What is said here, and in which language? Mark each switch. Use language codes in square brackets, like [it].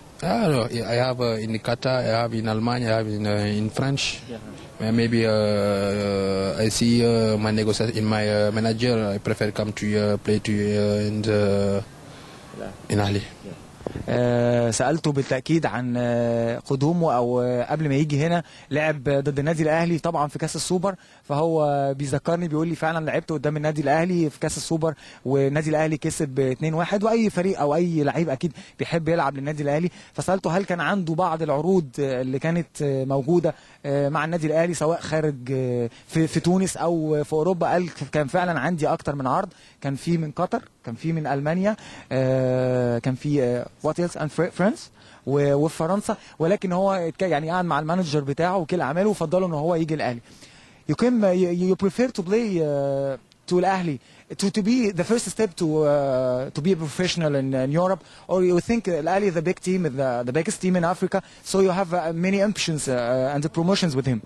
[en] I have in Qatar, I have in Almania, I have in French. Yeah. Maybe I see my negotiator, in my manager, I prefer come to play to in the in Ahli. Yeah. [ar] سالته بالتاكيد عن قدومه او قبل ما يجي هنا لعب ضد النادي الاهلي طبعا في كاس السوبر، فهو بيذكرني بيقول لي فعلا لعبت قدام النادي الاهلي في كاس السوبر والنادي الاهلي كسب 2-1، واي فريق او اي لعيب اكيد بيحب يلعب للنادي الاهلي. فسالته هل كان عنده بعض العروض اللي كانت موجوده مع النادي الاهلي سواء خارج في تونس او في اوروبا، قال كان فعلا عندي اكتر من عرض، كان في من قطر، كان في من المانيا، كان في [en] what else and friends [ar] وفي فرنسا، ولكن هو يعني قعد مع المانجر بتاعه وكل اعماله وفضله ان هو يجي الاهلي. [en] You prefer to play to الاهلي to be the first step to be a professional in Europe, or you think الاهلي the big team, the biggest team in Africa, so you have many ambitions and the promotions with him?